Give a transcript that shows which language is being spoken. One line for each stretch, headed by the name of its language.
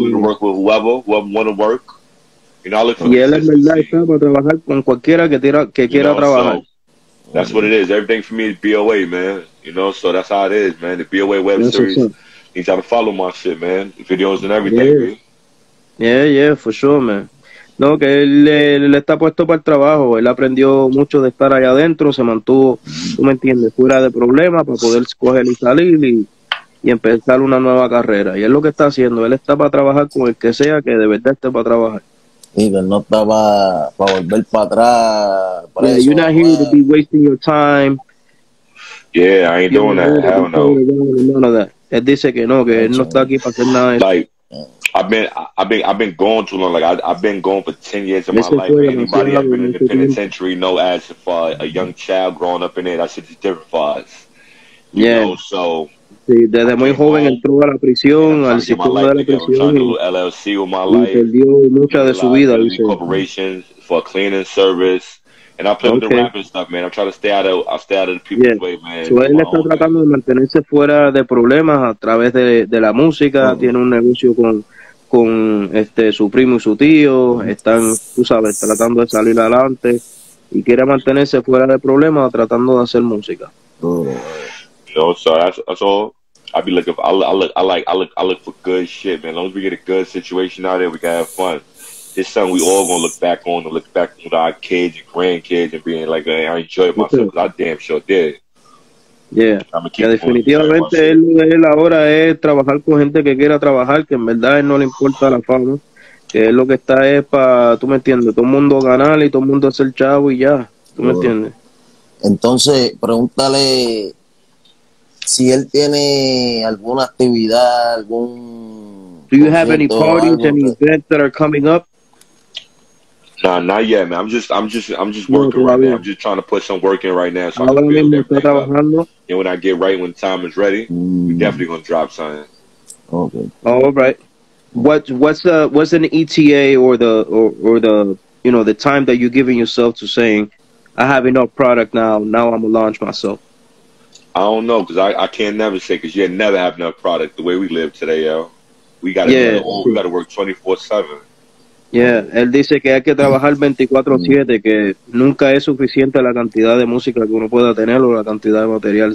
English: I'm willing to work with whoever wants to work. You know, I look for that's what it is. Everything for me is BOA, man. You know, so that's how it is, man. The BOA web series. You got to follow my shit, man. Videos and everything. Yeah, for sure, man.
Spanish: No, que él le está puesto para el trabajo. Él aprendió mucho de estar allá adentro, se mantuvo, tú me entiendes, fuera de problemas para poder coger y salir y empezar una nueva carrera. Y es lo que está haciendo. Él está para trabajar con el que sea, que de verdad esté para trabajar. Y que no está para volver para atrás. Para
English: yeah, eso, you're not man. Here to be wasting your time. Yeah, I ain't doing that. Hell no. None of that.
Spanish: Él dice que no, que él no está aquí para hacer nada de
English: eso. Like, I've been gone too long. Like I've been gone for 10 years of my life. Anybody that's been in the penitentiary, no, as if a young child growing up in there, that shit is different for us. Yeah. Know, so.
Spanish: Sí, desde muy joven entró a la prisión, al sistema de la prisión y perdió mucha de su vida.
English: Corporations for cleaning service, and I play with the rap and stuff, man. I'm trying to stay out of the people's way, man.
Spanish: So él está tratando de mantenerse fuera de problemas a través de la música. Mm-hmm. Tiene un negocio con su primo y su tío. Están, tú sabes, tratando de salir adelante y quiere mantenerse fuera de problemas tratando de hacer música.
English: You know, so that's all. I be looking for. I look for good shit, man. As long as we get a good situation out there, we can have fun. It's something we all gonna look back on and look back with our kids and grandkids and being like, hey, I enjoyed myself. Okay. I damn sure did. Yeah. I'm gonna keep
Spanish: definitivamente, él ahora es trabajar con gente que quiera trabajar, que en verdad él no le importa la fama, que él lo que está es para, tú me entiendes, todo el mundo ganar y todo el mundo hacer chavo y ya. ¿Tú me entiendes? Entonces, pregúntale. Si él tiene alguna actividad, algún...
English: Do you have any parties, any events that are coming up? Nah, not yet, man. I'm just working right now. I'm just trying to put some work in right now. So I'm going to be trabajando. And when I get right, when time is ready, we're definitely going to drop something. Okay. All right. What's an ETA or the time that you're giving yourself to saying, I have enough product now. Now I'm going to launch myself. I don't know, because I can't never say, because you never have enough product the way we live today, yo. We got to work 24/7.
Spanish: Yeah, él dice que hay que trabajar 24/7, que nunca es suficiente la cantidad de música que uno pueda tener o la cantidad de material.